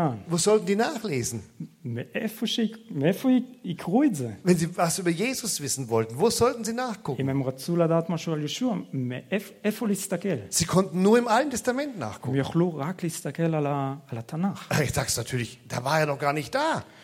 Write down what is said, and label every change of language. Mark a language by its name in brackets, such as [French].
[German] Wo sollten die nachlesen? [Hebrew] מאיפה יקרו את זה? [German] Wenn sie was über Jesus wissen wollten, wo sollten sie nachgucken? [Hebrew] אם הם רצו לדעת משהו על ישוע, איפה להסתכל? [German] Sie konnten nur im Alten Testament nachgucken. [Hebrew] הם יכלו רק להסתכל על התנ"ך. [German] Ich sag's natürlich, da war er noch gar nicht da.